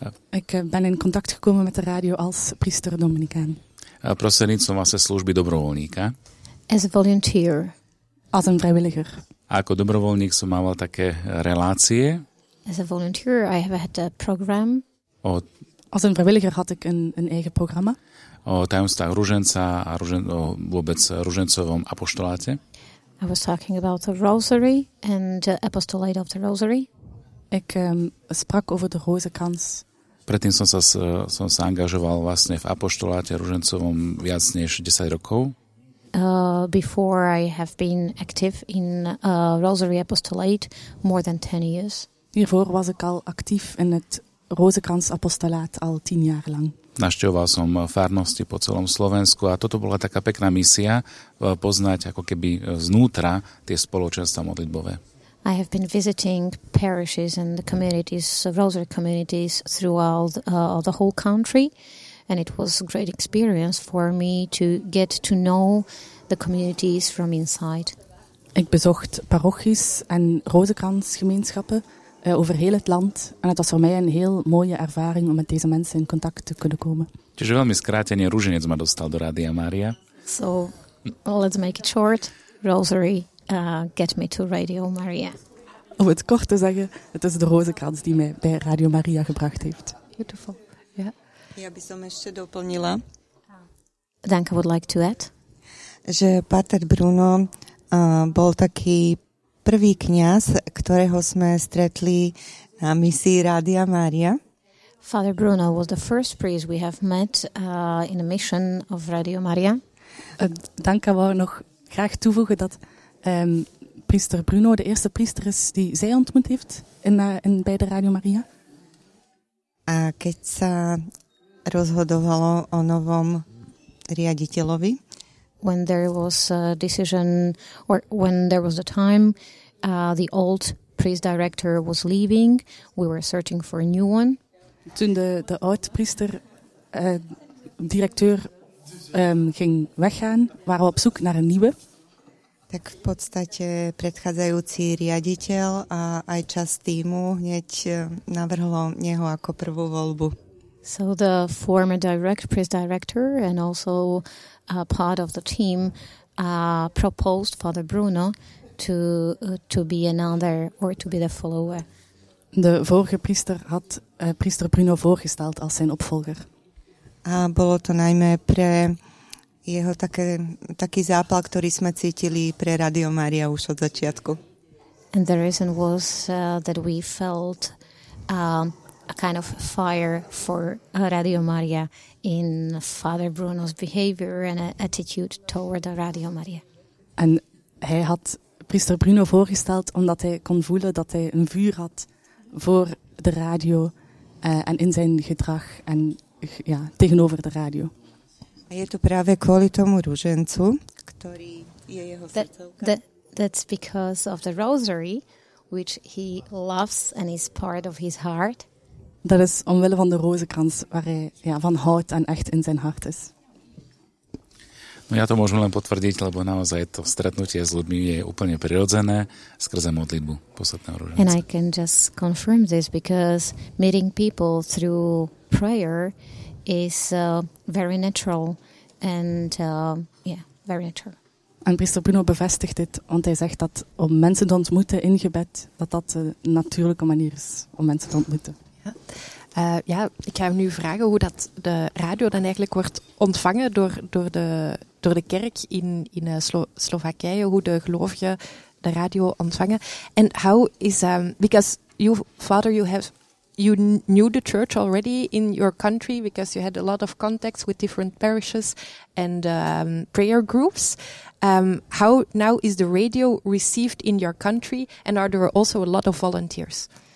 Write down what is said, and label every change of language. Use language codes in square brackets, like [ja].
[nl] Ik ben in contact gekomen met de radio als priester Dominikán. [sk] Prostredníctvom vlastne služby dobrovoľníka. [en] As a volunteer. [nl] Als een vrijwilliger. [sk] A ako dobrovoľník som mával také relácie. [en] As a volunteer I have had a program. [nl] Als een vrijwilliger had ik een eigen programma. [sk] O tajomstvách ruženca a vôbec ružencovom apoštoláte. [en] I was talking about the rosary and the apostolate of the rosary. [nl] Ik sprak over de rozenkrans. [sk] Predtým som sa angažoval vlastne v apoštoláte ružencovom viac než 10 rokov. [en] Before I have been active in rosary apostolate more than 10 years. [nl] Hiervoor was ik al actief in het rozenkrans apostolaat al 10 jaar lang. [sk] Navštevoval som farnosti po celom Slovensku a toto bola taká pekná misia poznať ako keby znútra tie spoločenstva modlitbové. [en] I have been visiting parishes and the communities, rosary communities throughout the whole country and it was a great experience for me to get to know the communities from inside. [nl] Ik bezocht parochies en rozenkransgemeenschappen over heel het land. En het was voor mij een heel mooie ervaring om met deze mensen in contact te kunnen komen. [sk] Čiže veľmi skrátenie, ruženec ma dostal do Rádia Mária. [en] So, let's make it short. Rosary, get me to Radio Maria. [nl] Om het kort te zeggen, het is de rozenkrans die mij bij Radio Maria gebracht heeft. [en] Beautiful. Yeah. [sk] Ja by som ešte doplnila. [en] Danke, I would like to add. [sk] Že Pater Bruno bol taký prvý kňaz, ktorého sme stretli na misii Rádia Mária. [en] Father Bruno was the first priest we have met in a mission of Radio Maria. [nl] Danka wou nog graag toevoegen dat priester Bruno de eerste priester is die zij ontmoet heeft in bij de Radio Maria. [sk] A keď sa rozhodovalo o novom riaditeľovi, [en] when there was a decision or when there was a time the old priest director was leaving, we were searching for a new one. [nl] Toen de oud priester directeur ging weggaan, waren we op zoek naar een nieuwe. [sk] Tak v podstate predchádzajúci riaditeľ a aj čas týmu hneď navrhlo neho ako prvú voľbu. [en] So the former priest director and also part of the team proposed Father Bruno to be another or to be the follower. [nl] de vorige priester had priester Bruno voorgesteld als zijn opvolger. [sk] A bolo to najmä pre jeho taký zápal, ktorý sme cítili pre Radio Mária už od začiatku. [en] And the reason was that we felt a kind of fire for Radio Maria in Father Bruno's behavior and attitude toward Radio Maria. [nl] En hij had priester Bruno voorgesteld omdat hij kon voelen dat hij een vuur had voor de radio en in zijn gedrag en ja, tegenover de radio. [sk] Je to práve kvôli tomu ružencu, ktorý je jeho srdcovka. [en] That's because of the rosary, which he loves and is part of his heart. [nl] Dat is omwille van de rozenkrans waar hij ja, van houdt en echt in zijn hart is. [sk] No ja to môžem len potvrdiť, lebo naozaj to stretnutie s ľuďmi je úplne prirodzené skrze modlitbu posvätného ruženca. [en] And I can just confirm this because meeting people through prayer is very natural and very natural. [nl] En priester Bruno bevestigt dit, want hij zegt dat om mensen te ontmoeten in gebed, dat dat de natuurlijke manier is om mensen te ontmoeten. Ik ga hem nu vragen hoe dat de radio dan eigenlijk wordt ontvangen door de kerk in Slowakije, hoe de gelovigen de radio ontvangen. [en] And how is because you, Father, you knew the church already in your country because you had a lot of contacts with different parishes and prayer groups. How now is the radio received in your country and are there also a lot of volunteers?